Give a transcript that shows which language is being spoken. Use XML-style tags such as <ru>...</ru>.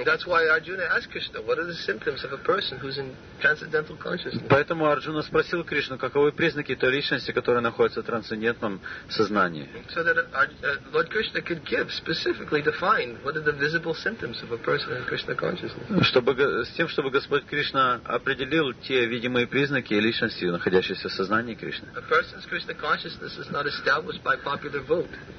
<en>That's why Arjuna asked Krishna, what are the symptoms of a person who's in transcendental consciousness?</en> <ru>Поэтому Арджуна спросил Кришну, каковы признаки той личности, которая находится в трансцендентном сознании.</ru> <en>So that Lord Krishna could give specifically define what are the visible symptoms of a person in Krishna consciousness.</en> <ru>Чтобы Господь Кришна определил те видимые признаки личности, находящейся в сознании Кришны.</ru> <en>A person's Krishna consciousness is not established by popular vote.</en>